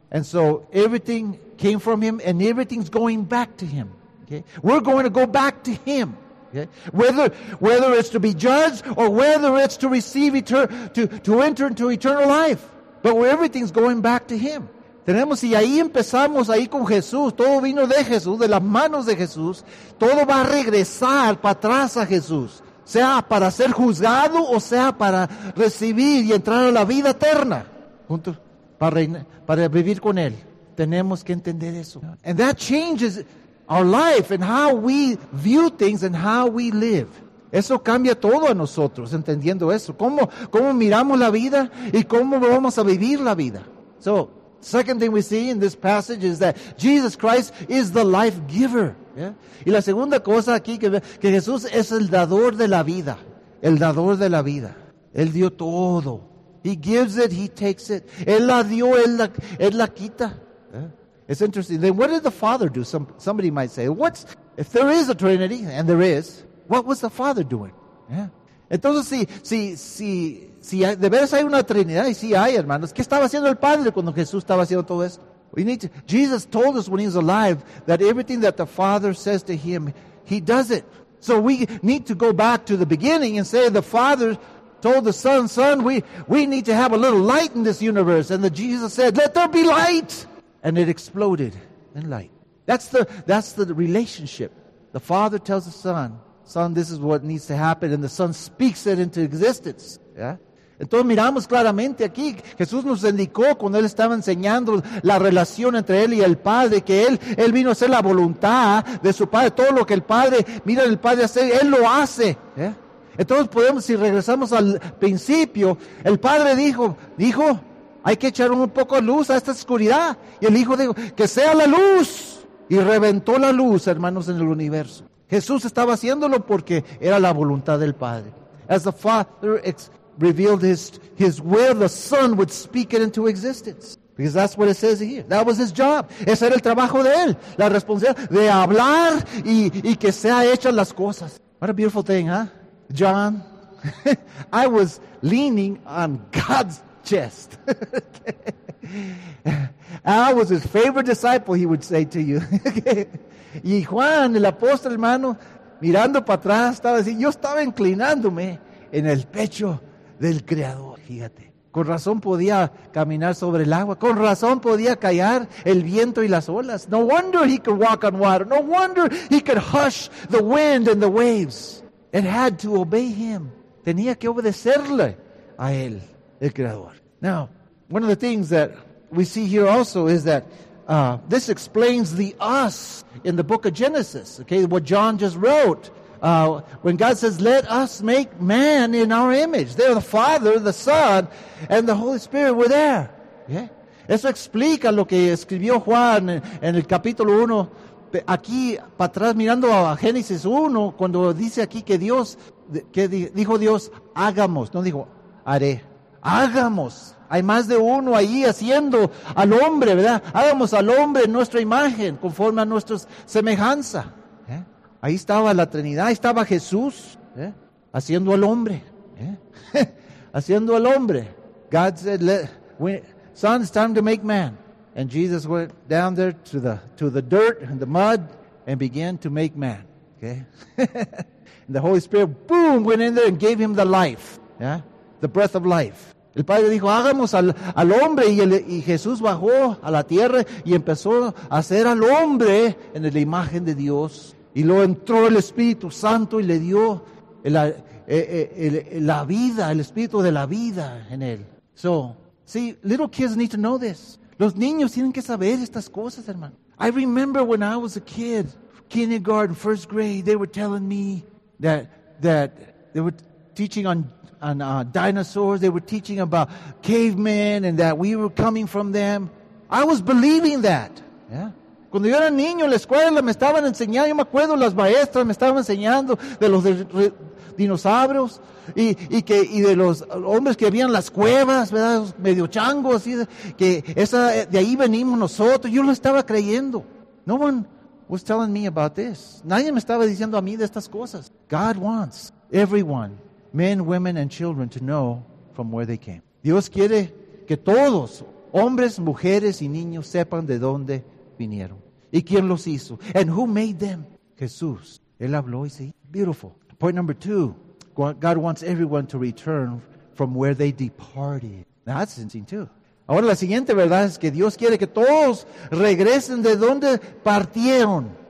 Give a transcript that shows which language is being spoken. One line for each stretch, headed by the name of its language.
English: And so everything came from Him and everything's going back to Him. Okay? We're going to go back to Him. Okay? Whether it's to be judged or whether it's to receive to enter into eternal life. But everything's going back to Him.
Spanish: Tenemos, y ahí empezamos ahí con Jesús. Todo vino de Jesús, de las manos de Jesús. Todo va a regresar para atrás a Jesús. Sea para ser juzgado o sea para recibir y entrar a la vida eterna juntos para vivir con Él. Tenemos que entender eso.
English: And that changes our life and how we view things and how we live.
Spanish: Eso cambia todo a nosotros, entendiendo eso. ¿Cómo miramos la vida y cómo vamos a vivir la vida?
English: So, second thing we see in this passage is that Jesus Christ is the life giver. Yeah.
Spanish: Y la segunda cosa aquí que Jesús es el dador de la vida. El dador de la vida. Él dio todo.
English: He gives it, He takes it.
Spanish: Él la dio, él la quita.
English: Yeah. It's interesting. Then what did the Father do? Somebody might say, what's, if there is a Trinity, and there is, what was the Father doing? Yeah.
Spanish: Entonces, si de veras hay una Trinidad, y si hay, hermanos, ¿qué estaba haciendo el Padre cuando Jesús estaba haciendo todo esto?
English: Jesus told us when He was alive that everything that the Father says to Him, He does it. So we need to go back to the beginning and say the Father told the Son, Son, we need to have a little light in this universe. And the Jesus said, let there be light. And it exploded in light. That's the relationship. The Father tells the Son, Son, this is what needs to happen. And the Son speaks it into existence. Yeah.
Spanish: Entonces miramos claramente aquí, Jesús nos indicó cuando Él estaba enseñando la relación entre Él y el Padre, que Él vino a hacer la voluntad de su Padre, todo lo que el Padre, mira el Padre hacer, Él lo hace. ¿Eh? Entonces podemos, si regresamos al principio, el Padre dijo, hay que echar un poco de luz a esta oscuridad. Y el Hijo dijo, que sea la luz. Y reventó la luz, hermanos, en el universo. Jesús estaba haciéndolo porque era la voluntad del Padre.
English: As the Father revealed his will, the Son would speak it into existence. Because that's what it says here. That was his job.
Spanish: Ese era el trabajo de él. La responsabilidad de hablar y que sea hechas las cosas.
English: What a beautiful thing, huh? John, I was leaning on God's chest. I was his favorite disciple, he would say to you.
Spanish: Y Juan, el apóstol, hermano, mirando para atrás, estaba así. Yo estaba inclinándome en el pecho del Creador, fíjate. Con razón podía caminar sobre el agua. Con razón podía callar el viento y las olas.
English: No wonder he could walk on water. No wonder he could hush the wind and the waves. It had to obey him.
Spanish: Tenía que obedecerle a él, el Creador.
English: Now, one of the things that we see here also is that this explains the us in the book of Genesis. Okay, what John just wrote. When God says, let us make man in our image. There, the Father, the Son, and the Holy Spirit were there. Yeah.
Spanish: Eso explica lo que escribió Juan en el capítulo 1. Aquí, para atrás, mirando a Génesis 1, cuando dice aquí que Dios, que dijo Dios, hagamos. No dijo, haré. Hagamos. Hay más de uno ahí haciendo al hombre, ¿verdad? Hagamos al hombre nuestra imagen, conforme a nuestra semejanza. Ahí estaba la Trinidad, ahí estaba Jesús, haciendo al hombre, haciendo al hombre.
English: God said, Son, it's time to make man. And Jesus went down there to the dirt and the mud and began to make man. Okay? And the Holy Spirit, boom, went in there and gave him the life, the breath of life.
Spanish: El Padre dijo, hagamos al hombre, y Jesús bajó a la tierra y empezó a hacer al hombre en la imagen de Dios. Y luego entró el Espíritu Santo y le dio la vida, el Espíritu de la vida en él.
English: So, see, little kids need to know this.
Spanish: Los niños tienen que saber estas cosas, hermano.
English: I remember when I was a kid, kindergarten, first grade, they were telling me that they were teaching on dinosaurs, they were teaching about cavemen and that we were coming from them. I was believing that, yeah.
Spanish: Cuando yo era niño en la escuela me estaban enseñando, yo me acuerdo las maestras me estaban enseñando de los dinosaurios y de los hombres que habían las cuevas, ¿verdad? Medio changos, así que esa de ahí venimos nosotros, yo lo estaba creyendo.
English: No one was telling me about this.
Spanish: Nadie me estaba diciendo a mí de estas cosas.
English: God wants everyone, men, women and children to know from where they came.
Spanish: Dios quiere que todos, hombres, mujeres y niños sepan de dónde vinieron. ¿Y quién los hizo?
English: And who made them?
Spanish: Jesús. Él habló y se hizo.
English: Beautiful. Point number two. God wants everyone to return from where they departed. Now that's interesting too.
Spanish: Ahora la siguiente verdad es que Dios quiere que todos regresen de donde partieron.